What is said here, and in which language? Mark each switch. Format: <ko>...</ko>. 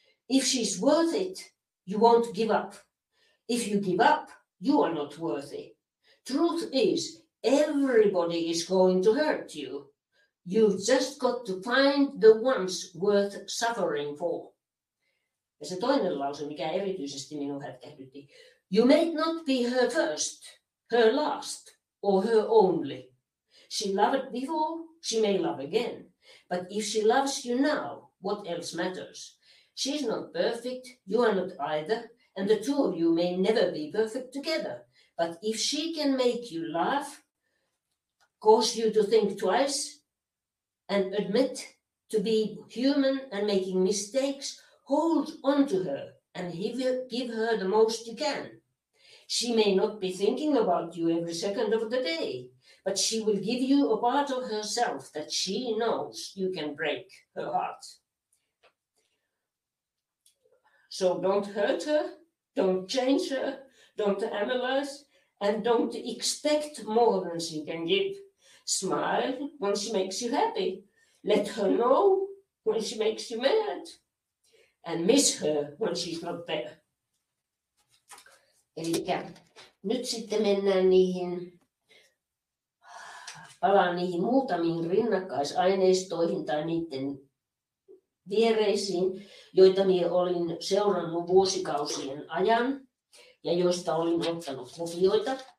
<en>If she's worth it, you won't give up. If you give up, you are not worthy. Truth is, everybody is going to hurt you. You've just got to find the ones worth suffering for.</en> <fi>Ja se toinen lause, mikä erityisesti minun hätkähdytti.</fi> <en>You may not be her first, her last, or her only. She loved before, she may love again. But if she loves you now, what else matters? She's not perfect, you are not either, and the two of you may never be perfect together. But if she can make you laugh, cause you to think twice, and admit to be human and making mistakes, hold on to her and give her the most you can. She may not be thinking about you every second of the day, but she will give you a part of herself that she knows you can break her heart. So don't hurt her, don't change her, don't analyze, and don't expect more than she can give. Smile when she makes you happy. Let her know when she makes you mad. And miss her when she's not there.</en> <fi>Eli nyt sitten mennään niihin, palaan niihin muutamiin rinnakkaisaineistoihin tai niiden viereisiin, joita minä olin seurannut vuosikausien ajan ja joista olin ottanut kopioita.</fi>